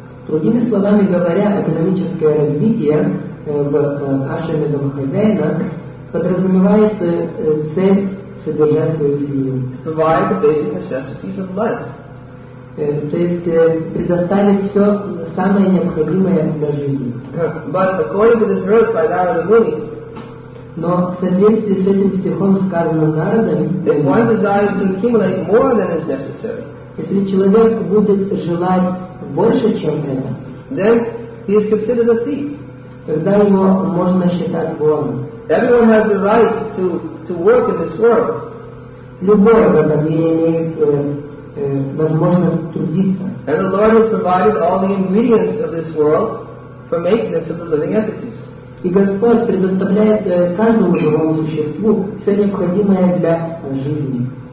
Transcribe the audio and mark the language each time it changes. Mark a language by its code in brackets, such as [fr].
[ru] Другими словами говоря, экономическое развитие в ашраме домохозяина подразумевает цель содержать свою семью. [en] To provide the basic necessities of life. [ru] То есть предоставить все самое необходимое для жизни. [en] But according to this verse by Narada Muni, [ru] но в соответствии с этим стихом сказано Нарадой, [en] if one desires to accumulate more than is necessary, [ru] если человек будет желать больше, чем это, [en] then he is considered a thief. [ru] Тогда его можно считать вором. [en] Everyone has the right to work in this world. [ru] Любой в этом мире имеет возможность трудиться. [en] And the Lord has provided all the ingredients of this world for maintenance of the living entities. [ru] И Господь предоставляет каждому живому существу все необходимое для жизни.